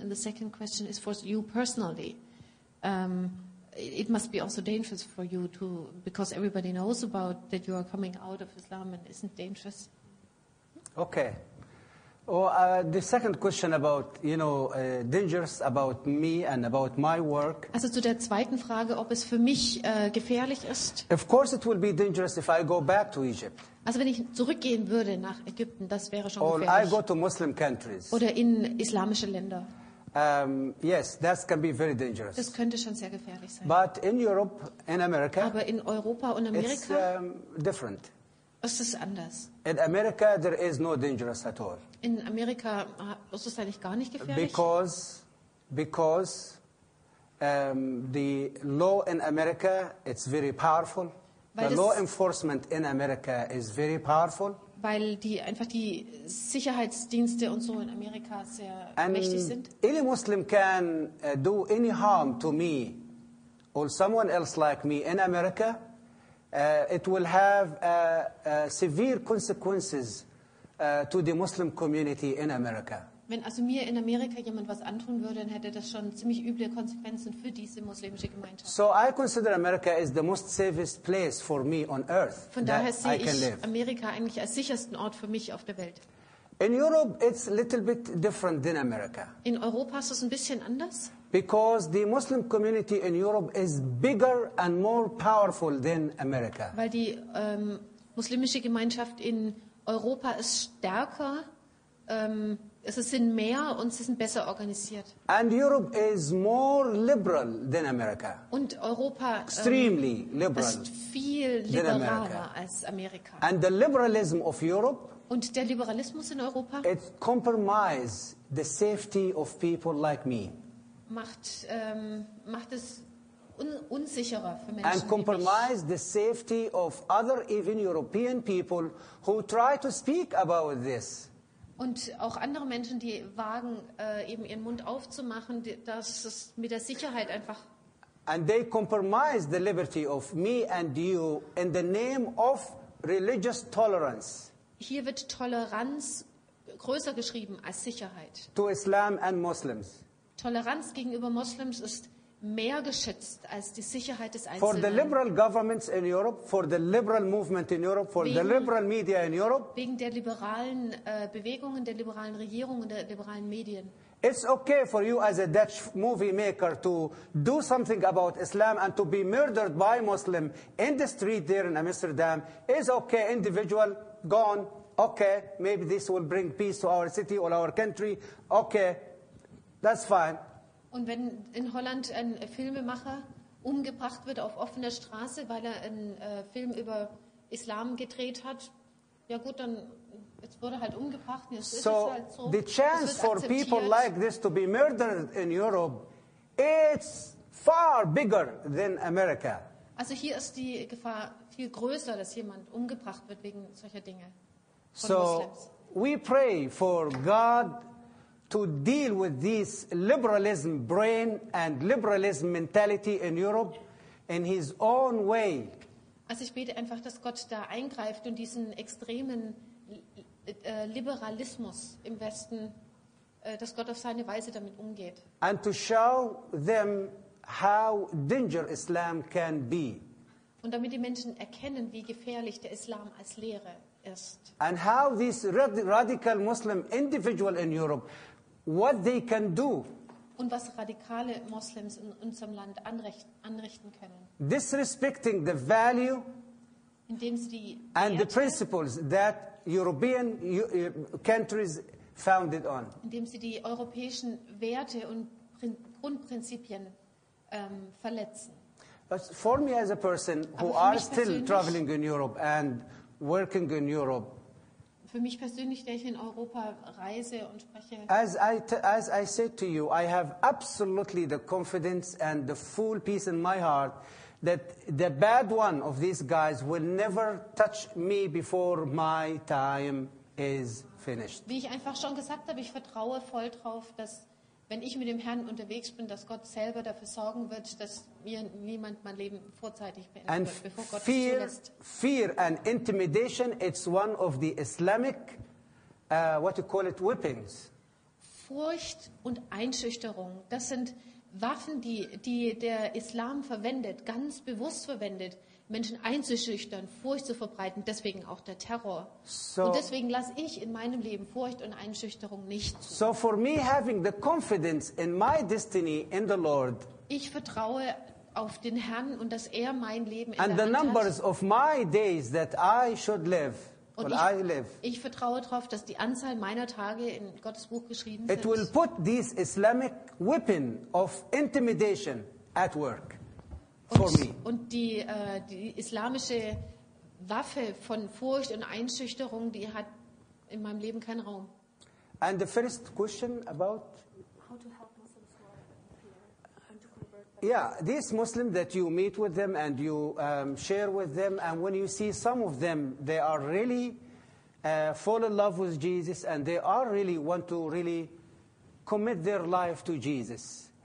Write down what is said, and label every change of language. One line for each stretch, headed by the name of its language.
English: And the second question is for you personally. It must be also dangerous for you to, because everybody knows about that you are coming out of Islam, and isn't dangerous. Okay. Well, the second question about, you know, dangerous about me and about my work.
German: Also zu der zweiten Frage, ob es für mich gefährlich ist.
English: Of course it will be dangerous if I go back to Egypt.
German: Also wenn ich zurückgehen würde nach Ägypten, das wäre schon gefährlich.
English: I go to Muslim countries.
German: Oder in islamische Länder.
English: Yes, that can be very dangerous.
German: Das könnte schon sehr gefährlich sein.
English: But in Europe, in America,
German: aber in Europa und Amerika,
English: it's different.
German: Ist es anders.
English: In America, there is no dangerous at all.
German: In Amerika ist es eigentlich gar nicht gefährlich.
English: Because the law in America, it's very powerful.
German: Weil
English: the law enforcement in America is very powerful.
German: Weil die einfach die Sicherheitsdienste und so in Amerika sehr
English: and
German: mächtig sind.
English: Any Muslim can do any harm to me or someone else like me in America, it will have severe consequences to the Muslim community in America.
German: Wenn also mir in Amerika jemand was antun würde, dann hätte das schon ziemlich üble Konsequenzen für diese muslimische Gemeinschaft.
English: So I consider America is the most safest place for me on earth.
German: Von daher sehe ich Amerika eigentlich als sichersten Ort für mich auf der Welt.
English: In Europe it's a little bit different than America.
German: In Europa ist es ein bisschen anders.
English: Because the Muslim community in Europe is bigger and more powerful than America.
German: Weil die muslimische Gemeinschaft in Europa ist stärker. Es sind mehr und sie sind besser organisiert.
English: And Europe is more liberal than America.
German: Und Europa
English: extremely liberal
German: ist viel liberaler als Amerika.
English: And the liberalism of Europe,
German: und der Liberalismus in Europa,
English: it compromises the safety of people like me.
German: Macht es unsicherer für Menschen.
English: And compromise the safety of other even European people who try to speak about this.
German: Und auch andere Menschen, die wagen, eben ihren Mund aufzumachen, dass es mit der Sicherheit einfach
English: And they compromise the liberty of me and you in the name of religious tolerance.
German: Hier wird Toleranz größer geschrieben als Sicherheit.
English: To Islam and Muslims.
German: Toleranz gegenüber Muslims ist mehr geschützt als die Sicherheit des Einzelnen.
English: For the liberal governments in Europe, for the liberal movement in Europe, for the liberal media in Europe.
German: Wegen der liberalen Bewegungen, der liberalen Regierungen, der liberalen Medien.
English: It's okay for you as a Dutch movie maker to do something about Islam and to be murdered by Muslim in the street there in Amsterdam. It's okay, individual, gone. Okay, maybe this will bring peace to our city or our country. Okay, that's fine.
German: Und wenn in Holland ein Filmemacher umgebracht wird auf offener Straße, weil er einen Film über Islam gedreht hat, ja gut, dann jetzt wurde halt umgebracht. Jetzt so, ist es halt so,
English: the chance for people like this to be murdered in Europe, it's far bigger than America.
German: Also hier ist die Gefahr viel größer, dass jemand umgebracht wird wegen solcher Dinge von so, Muslims.
English: We pray for God to deal with this liberalism brain and liberalism mentality in Europe in his own way.
German: Also ich bete einfach, dass Gott da eingreift und diesen extremen Liberalismus im Westen, dass Gott auf seine Weise damit umgeht.
English: And to show them how dangerous Islam can be.
German: Und damit die Menschen erkennen, wie gefährlich der Islam als Lehre ist.
English: And how this radical Muslim individual in Europe, what they can do.
German: Und was radikale Muslims in unserem Land anrichten können.
English: Disrespecting the value
German: indem sie die
English: and the principles that European countries founded on.
German: Indem sie die europäischen Werte und Grundprinzipien verletzen.
English: But for me as a person who are still traveling in Europe and working in Europe,
German: für mich persönlich, der ich in Europa reise und spreche.
English: As I said to you, I have absolutely the confidence and the full peace in my heart that the bad one of these guys will never touch me before my time is finished.
German: Wie ich einfach schon gesagt habe, ich vertraue voll drauf, dass wenn ich mit dem Herrn unterwegs bin, dass Gott selber dafür sorgen wird, dass mir niemand mein Leben vorzeitig beendet
English: and
German: wird, bevor Gott
English: fear,
German: es zulässt.
English: Fear and intimidation, it's one of the Islamic, what you call it, whippings.
German: Furcht und Einschüchterung, das sind Waffen, die der Islam verwendet, ganz bewusst verwendet, Menschen einzuschüchtern, Furcht zu verbreiten, deswegen auch der Terror.
English: So,
German: und deswegen lasse ich in meinem Leben Furcht und Einschüchterung nicht zu.
English: So for me having the confidence in my destiny in the Lord.
German: Ich vertraue auf den Herrn und dass er mein Leben in
English: and
German: der Hand
English: the numbers
German: hat.
English: Of my days that I should live.
German: Und
English: I live.
German: Ich vertraue darauf, dass die Anzahl meiner Tage in Gottes Buch geschrieben sind.
English: It will put this Islamic weapon of intimidation at work.
German: Und die islamische Waffe von Furcht und Einschüchterung, die hat in meinem Leben keinen Raum.
English: And the first question about how to help Muslims who are here and to convert them. Yeah, these Muslims that you meet with them and you share with them, and when you see some of them, they are really fall in love with Jesus and they are really want to really commit their life to Jesus.